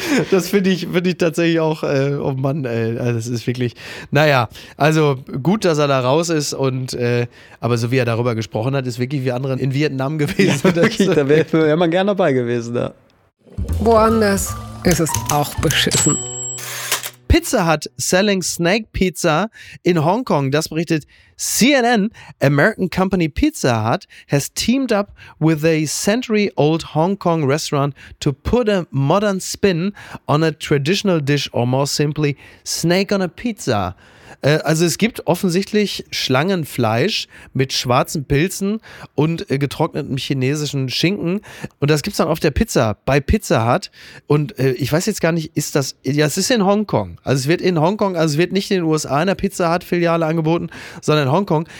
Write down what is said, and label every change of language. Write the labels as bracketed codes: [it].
[de] das finde ich tatsächlich auch, oh Mann, das ist wirklich, naja, also gut, dass er da raus ist und aber so wie er darüber gesprochen hat, ist wirklich wie andere in Vietnam gewesen. Ja, wirklich, da wäre man gern dabei gewesen. Da. Woanders ist es auch beschissen. [en] Pizza Hut Selling Snake Pizza in Hongkong, [de] das berichtet [en] CNN, American company Pizza Hut, has teamed up with a century-old Hong Kong restaurant to put a modern spin on a traditional dish, or more simply, snake on a pizza. [de] Also es gibt offensichtlich Schlangenfleisch mit schwarzen Pilzen und getrocknetem chinesischen Schinken. Und das gibt es dann auf der Pizza, bei Pizza Hut. Und ich weiß jetzt gar nicht, ist das, ja, es ist in Hongkong. Also es wird in Hongkong, also es wird nicht in den USA in der Pizza Hut-Filiale angeboten, sondern in Hongkong.